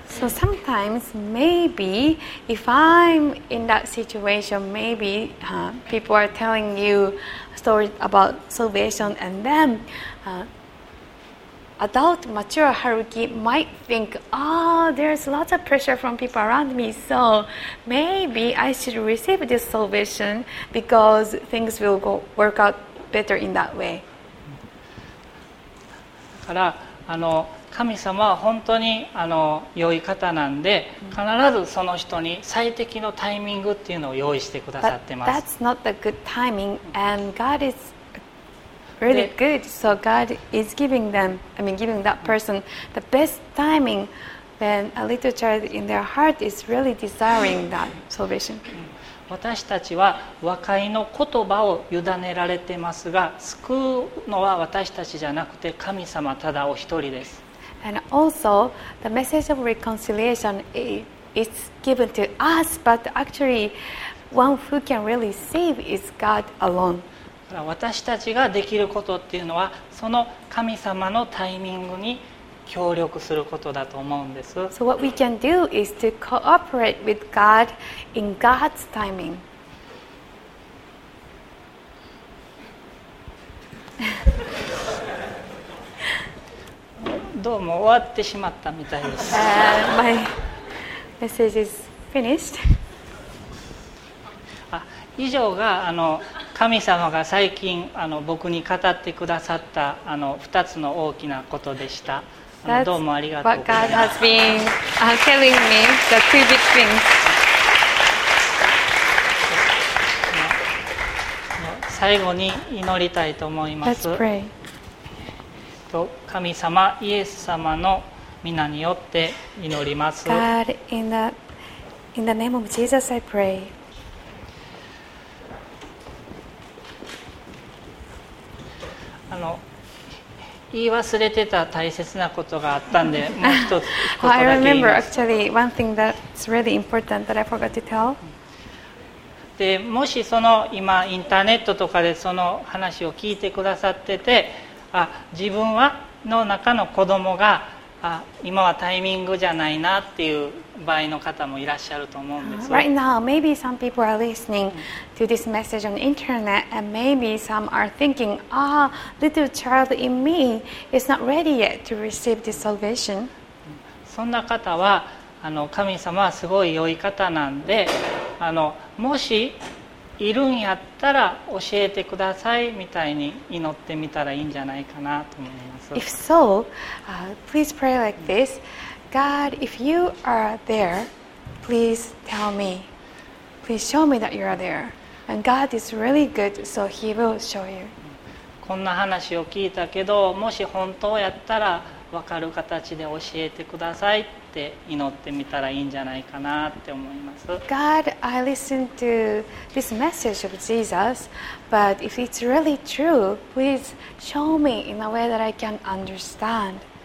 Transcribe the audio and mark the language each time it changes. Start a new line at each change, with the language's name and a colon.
English: So sometimes maybe if I'm in that situation, maybe people are telling you story about salvation and then adult mature Haruki might think, oh, there's lots of pressure from people around me, so maybe I should receive this salvation because things will go work out better in that way.
Japanese: だから神様は本当に良い方なんで、必ずその人に最適のタイミングっていうのを用意してくださってます。
English: But that's not the good timing, and God is really good. So God is giving them, I mean, giving that person the best timing when a little child in their heart is really desiring that salvation.
Japanese: 私たちは和解の言葉を委ねられてますが、救うのは私たちじゃなくて神様ただお一人です。
English: And also, the message of reconciliation is given to us, but actually, one who can really save is God alone.
Japanese: 私たちができることっていうのはその神様のタイミングに協力することだと思うんです。
English: So what we can do is to cooperate with God in God's timing.
Japanese: どうも終わってしまったみたいです。
English: My message is finished.
Japanese: 以上が神様が最近僕に語ってくださった2つの大きなことでした。どうもありがとうございます。
English: That's what God has been telling me, the two big things.
Japanese: 最後に祈りたいと思います。
English: Let's pray.
Japanese: 神様、イエス様の御名によって祈ります。
English: God, in the name of Jesus, I pray.
Japanese: 言い忘れてた大切なことがあったんで、もう一つことだけ。
English: I remember actually one thing that's really important that I forgot to tell.
Japanese: で、もしその今インターネットとかでその話を聞いてくださってて、自分はの中の子供が今はタイミングじゃないなっていう場合の方もいらっしゃると思うんです。
English: Right now, maybe some people are listening to this message on the internet, and maybe some are thinking, "Ah, little child in me is not ready yet to receive this salvation."
Japanese: そんな方は神様はすごい良い方なんで、もしいるんやったら教えてくださいみたいに祈ってみたらいいんじゃないかなと思います。
English: If so, please pray like this. God, if you are there, please tell me. Please show me that you are there. And God is really good, so He will show you.
Japanese: こんな話を聞いたけど、もし本当やったら分かる形で教えてくださいって祈ってみたらいいんじゃないかなって思います。
English: God, I listened to this message of Jesus, but if it's really true, please show me in a way that I can understand.